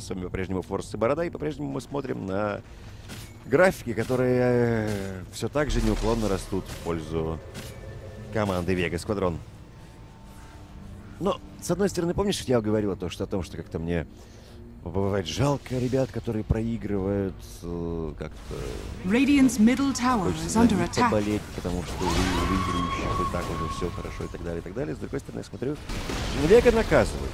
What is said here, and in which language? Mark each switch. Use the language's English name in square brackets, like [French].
[Russian] С вами по-прежнему Форс и Борода. И по-прежнему мы смотрим на графики, которые все так же неуклонно растут в пользу команды Вега Сквадрон. Но, с одной стороны, помнишь, я говорил о том, что как-то мне бывает жалко ребят, которые проигрывают как-то... [English] Radiant's middle tower is under attack. [Russian] Поболеть, потому что выигрывающих и так уже все хорошо и так далее, и так далее. С другой стороны, я смотрю, Вега наказывает.